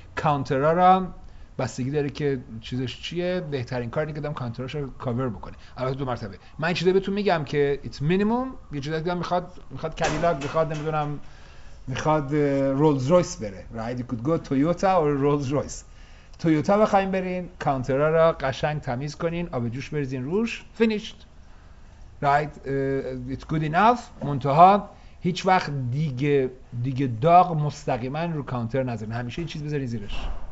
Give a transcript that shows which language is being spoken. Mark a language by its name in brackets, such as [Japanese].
[Persian] کانترا را بستگی داره که چیزش چیه، بهترین کاری که دام کانتراش رو کاور بکنه. البته دو مرتبه من این چیزه بهتون میگم که [English] it's minimum. [Persian] یه چیزی دیگه میخواد کدیلاک، میخواد نمیدونم، میخواد رولز رویس بره، right. [English] You could go Toyota or Rolls Royce. [Persian] تویوتا بخواییم برین، کانترا را قشنگ تمیز کنین، آب جوش بریزین روش، finished. [English] Right, it's good enough. [Persian] منتها هیچ وقت دیگه داغ مستقیمن رو کانتر نذارین، همیشه این چیز بذارین زیرش.